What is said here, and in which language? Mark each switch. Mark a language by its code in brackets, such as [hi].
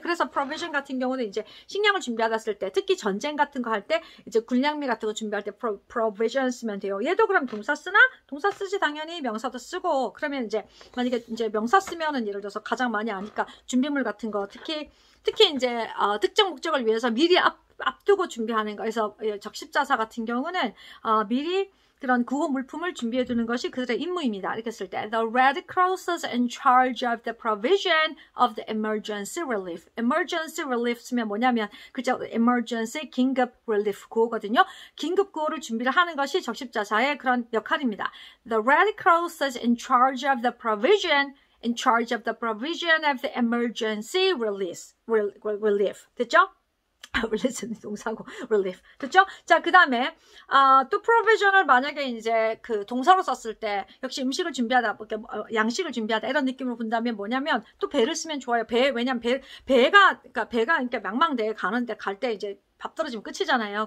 [ko] 그래서 provision 같은 경우는 이제 식량을 준비하다 쓸 때, 특히 전쟁 같은 거 할 때 이제 군량미 같은 거 준비할 때 provision 쓰면 돼요. 얘도 그럼 동사 쓰나? 동사 쓰지 당연히. 명사도 쓰고. 그러면 이제 만약에 이제 명사 쓰면은 예를 들어서 가장 많이 아니까 준비물 같은 거, 특히 이제 특정 목적을 위해서 미리 앞두고 준비하는 거에서 적십자사 같은 경우는 미리 그런 구호 물품을 준비해 두는 것이 그들의 임무입니다. 이렇게 쓸 때 [en] The Red Cross is in charge of the provision of the emergency relief. [ko] Emergency relief 쓰면 뭐냐면 글자 emergency 긴급 relief 구호거든요. 긴급 구호를 준비를 하는 것이 적십자사의 그런 역할입니다. [en] The Red Cross is in charge of the provision in charge of the provision of the emergency relief. [ko] 됐죠? relief는 동사고 relief 됐죠? 자 그 다음에 또 provisional 만약에 이제 그 동사로 썼을 때 역시 음식을 준비하다 이렇게 양식을 준비하다 이런 느낌으로 본다면 뭐냐면 또 배를 쓰면 좋아요. 배 왜냐면 배가 그러니까 망망대해 가는데 갈 때 이제 밥 떨어지면 끝이잖아요.